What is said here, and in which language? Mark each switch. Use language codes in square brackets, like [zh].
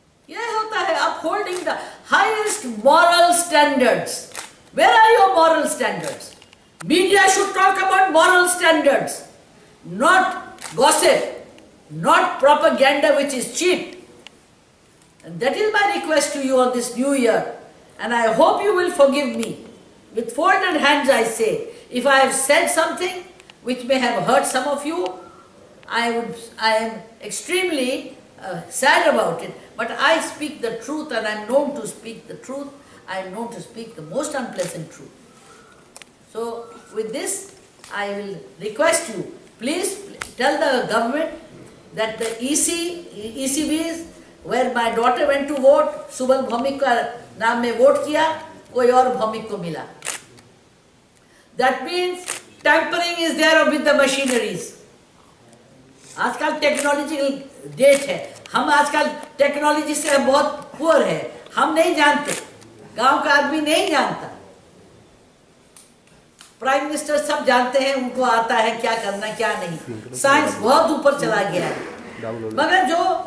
[hi] यह होता है [en] Upholding the highest moral standards. Where are your moral standards? Media should talk about moral standards, not gossip, not propaganda which is cheap. And that is my request to you on this new year. And I hope you will forgive me. With folded hands I say, if I have said something which may have hurt some of you, I am extremely sad about it, but I speak the truth and I'm known to speak the truth. I'm known to speak the most unpleasant truth. So with this, I will request you, please tell the government that the ECBs where my daughter went to vote, [hi] Subal Bhamik ka naam mein vote kiya, koi aur Bhamik ko mila. [en] That means tampering is there with the machineries. [hi] आजकल technology date है, हम आजकल technology से बहुत poor है, हम नहीं जानते, गांव का आदमी नहीं जानता, प्राइम मिनिस्टर सब जानते हैं, उनको आता है क्या करना क्या नहीं, साइंस बहुत ऊपर चला गया है, मगर जो